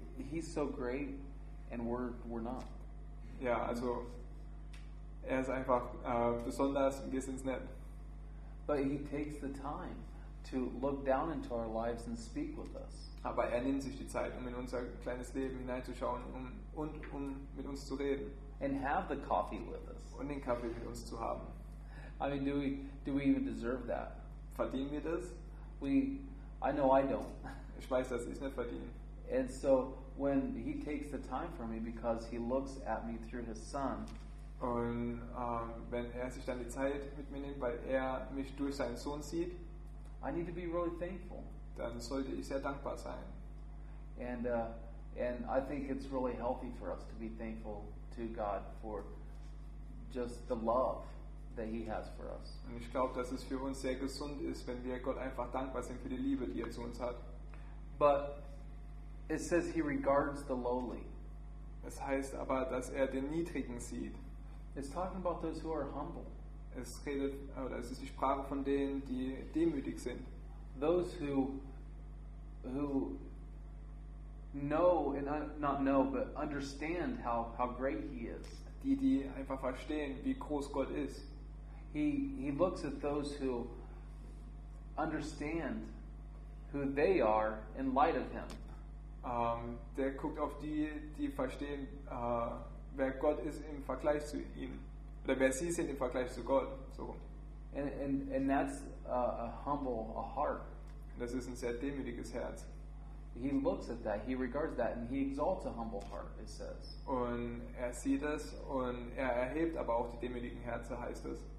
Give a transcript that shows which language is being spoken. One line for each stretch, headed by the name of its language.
English: He's so great and we're not.
German: Yeah, also er ist einfach besonders und wir sind's nicht.
English: But he takes the time to look down into our lives and speak with us.
German: Aber er nimmt sich die Zeit, um in unser kleines Leben hineinzuschauen und mit uns zu reden.
English: And have the coffee with us.
German: Und den Kaffee mit uns zu haben.
English: I mean, do we even deserve that?
German: Verdienen wir das?
English: I know I don't.
German: Ich weiß, dass ich es nicht verdiene.
English: And so when he takes the time for me because he looks at me through his son.
German: Und wenn er sich dann die Zeit mit mir nimmt, weil er mich durch seinen Sohn sieht.
English: I need to be really thankful.
German: Dann sollte ich sehr dankbar sein.
English: And I think it's really healthy for us to be thankful to God for just the love that he has for us.
German: Und ich glaube, dass es für uns sehr gesund ist, wenn wir Gott einfach dankbar sind für die Liebe, die er zu uns hat.
English: But it says he regards the lowly.
German: Es heißt aber, dass er den Niedrigen sieht.
English: It's talking about those who are humble.
German: Es redet, oder es ist die Sprache von denen, die demütig sind.
English: Those who know and not know but understand how great he is.
German: Die einfach verstehen, wie groß Gott ist.
English: He looks at those who understand who they are in light of him.
German: Der guckt auf die verstehen, wer Gott ist im Vergleich zu ihm. Oder wer sie sind im Vergleich zu Gott.
English: So. And that's a humble a heart.
German: Das ist ein sehr demütiges Herz.
English: He looks at that, he regards that, and he exalts a humble heart, it says.
German: Und er sieht es und er erhebt aber auch die demütigen Herzen, heißt es.